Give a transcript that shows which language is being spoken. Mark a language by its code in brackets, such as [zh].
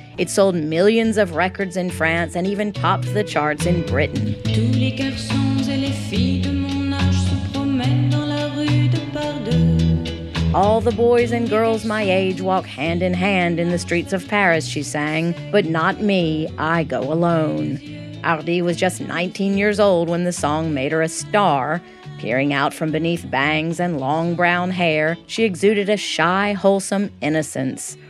[en] It sold millions of records in France and even topped the charts in Britain. [fr] Tous les garçons et les filles de mon âge se promènent dans la rue de Pardieu. [en] All the boys and girls my age walk hand in hand in the streets of Paris, she sang, but not me, I go alone. Hardy was just 19 years old when the song made her a star. Peering out from beneath bangs and long brown hair, she exuded a shy, wholesome innocence.